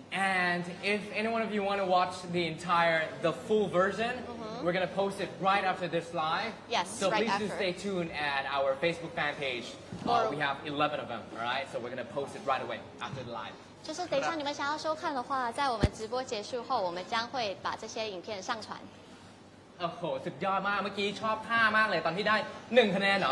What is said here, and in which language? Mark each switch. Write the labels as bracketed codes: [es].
[en] And if any one of you want to watch the full version, mm-hmm. we're going to post it right after this live. Yes, so right please after. Do stay tuned at our Facebook fan page. We have 11 of them, all right? So we're going to post it right away after the live. [zh] 就是等一下你们想要收看的话，在我们直播结束后，我们将会把这些影片上传。 [th] โอ้โหสุดยอดมากเมื่อกี้ชอบท่ามากเลยตอนที่ได้1คะแนนเหรอ